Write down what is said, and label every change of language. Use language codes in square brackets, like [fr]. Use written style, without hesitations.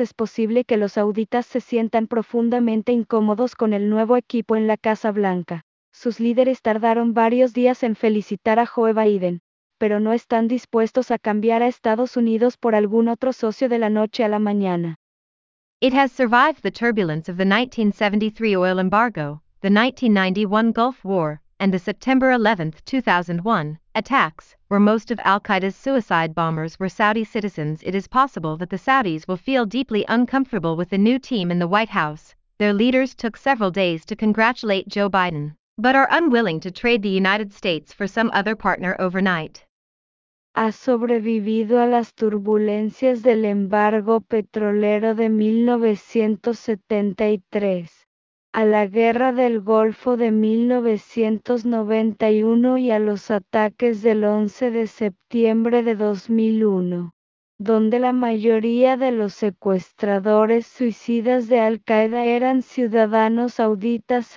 [es] Es posible que los sauditas se sientan profundamente incómodos con el nuevo equipo en la Casa Blanca. Sus líderes tardaron varios días en felicitar a Joe Biden, pero no están dispuestos a cambiar a Estados Unidos por algún otro socio de la noche a la mañana. [en] It has survived the turbulence of the 1973 oil embargo, the 1991 Gulf War, and the September 11, 2001, attacks, where most of Al-Qaeda's suicide bombers were Saudi citizens. It is possible that the Saudis will feel deeply uncomfortable with the new team in the White House. Their leaders took several days to congratulate Joe Biden, but are unwilling to trade the United States for some other partner overnight. [es] Ha sobrevivido a las turbulencias del embargo petrolero de 1973. A la guerra del Golfo de 1991 y a los ataques del 11 de septiembre de 2001, donde la mayoría de los secuestradores suicidas de Al-Qaeda eran ciudadanos sauditas.